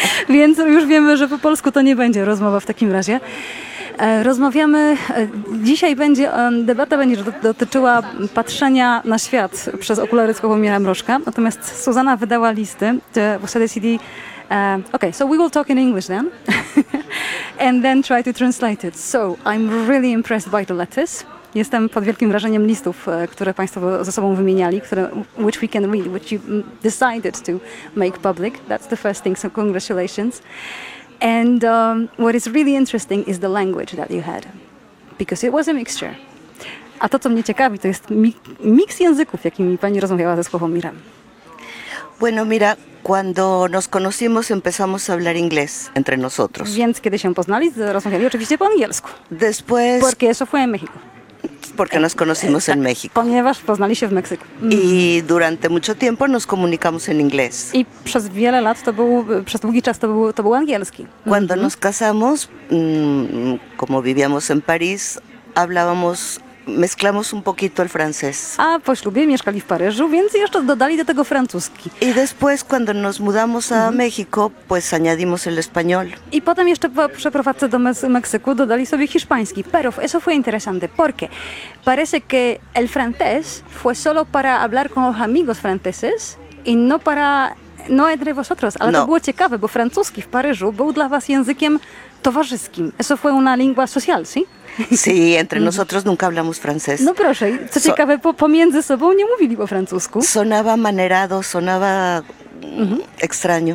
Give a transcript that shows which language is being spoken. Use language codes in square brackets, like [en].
[pl] Więc już wiemy, że po polsku to nie będzie rozmowa w takim razie. Rozmawiamy, dzisiaj będzie, debata będzie dotyczyła patrzenia na świat przez okulary Sławomira Mrożka. Natomiast Zuzanna wydała listy, właśnie decyzji. [en] Okay, so we will talk in English then, and then try to translate it. So, I'm really impressed by the letters. [pl] Jestem pod wielkim wrażeniem listów, które Państwo ze sobą wymieniali, które, [en] which we can read, which you decided to make public. That's the first thing, so congratulations. And what is really interesting is the language that you had, because it was a mixture. [pl] A to, co mnie ciekawi, to jest miks języków, jakimi Pani rozmawiała ze Sławomirem. [es] Bueno, mira, cuando nos conocimos empezamos a hablar inglés entre nosotros. [pl] Więc kiedy się poznali, rozmawiali oczywiście po angielsku. [es] Después... Porque eso fue en México. Porque nos conocimos en México. [pl] Ponieważ poznali się w Meksyku. [es] Y durante mucho tiempo nos comunicamos en inglés. [pl] I przez wiele lat to był, przez długi czas to był angielski. [es] Cuando nos casamos, como vivíamos en París, hablábamos, mezclamos un poquito el francés. [pl] A po ślubie mieszkali w Paryżu, więc jeszcze dodali do tego francuski. [es] Y después, cuando nos mudamos a México, pues añadimos el español. [pl] I potem jeszcze po przeprowadzce do Meksyku dodali sobie hiszpański. [es] Pero eso fue interesante, porque parece que el francés fue solo para hablar con los amigos franceses y no para... No entre vosotros, [pl] ale no. To było ciekawe, bo francuski w Paryżu był dla was językiem towarzyskim. [es] Eso fue una lengua social, sí? Sí, entre nosotros nunca hablamos francés. [pl] No proszę, co ciekawe, pomiędzy sobą nie mówili po francusku. [es] Sonaba manerado, sonaba extraño.